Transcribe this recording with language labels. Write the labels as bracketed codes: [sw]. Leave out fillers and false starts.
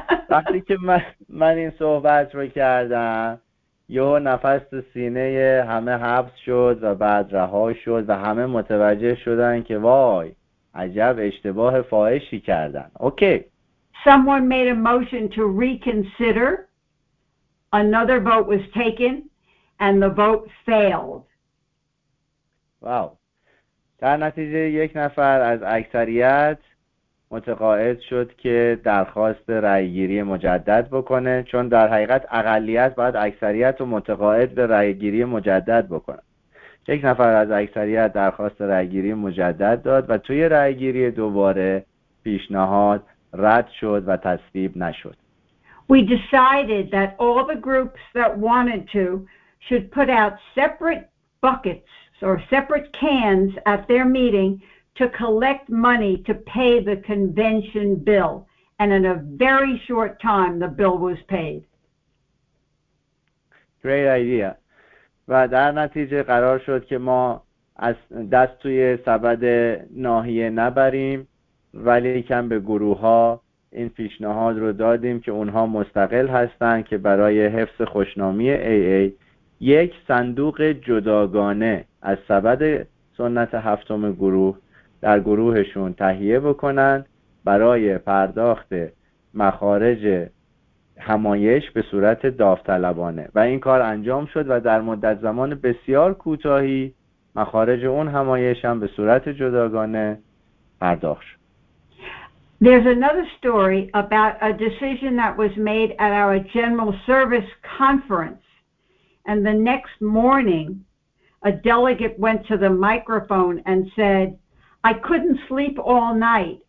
[fa] وقتی که من این صحبت رو کردم، یهو نفس تو سینه همه حبس شد و بعد رها شد و همه متوجه شدن که وای عجب اشتباه فاحشی کردن. اوکی. [en] Someone made a motion to reconsider. Another vote was taken and the vote failed. Wow. [fa] در نتیجه یک نفر از اکثریت متقاعد شد که درخواست رأی گیری مجدد بکنه، چون در حقیقت اقلیت باید اکثریت رو متقاعد به رأی گیری مجدد بکنه. یک نفر از اکثریت درخواست رأی گیری مجدد داد و توی رأی گیری دوباره پیشنهاد رد شد و تصویب نشد. [en] We decided that all the groups that wanted to should put out separate buckets or separate cans at their meeting to collect money to pay the convention bill, and in a very short time the bill was paid. Great idea. [fa] و در نتیجه قرار شد که ما از دست توی سبد ناحیه نبریم، ولی کم به گروه ها این پیشنهاد رو دادیم که اونها مستقل هستن که برای حفظ خوشنامی AA یک صندوق جداگانه از سبد سنت هفتم گروه در گروهشون تهیه بکنن برای پرداخت مخارج همایش به صورت داوطلبانه، و این کار انجام شد و در مدت زمان بسیار کوتاهی مخارج اون همایش هم به صورت جداگانه پرداخت شد. [en] There's another story about a decision that was made at our general service conference, and the next morning a delegate went to the microphone and said, I couldn't sleep all night.